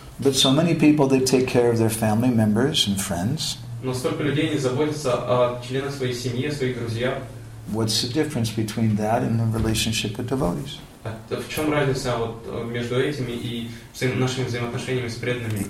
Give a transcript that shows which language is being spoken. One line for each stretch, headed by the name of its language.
English: But so many people, they take care of their family members and friends.
Russian: Но столько людей не заботятся о членах своей семьи, о своих друзьях.
English: What's the difference between that and the relationship with devotees?
Russian: В чем разница вот между этими и нашими взаимоотношениями с преданными?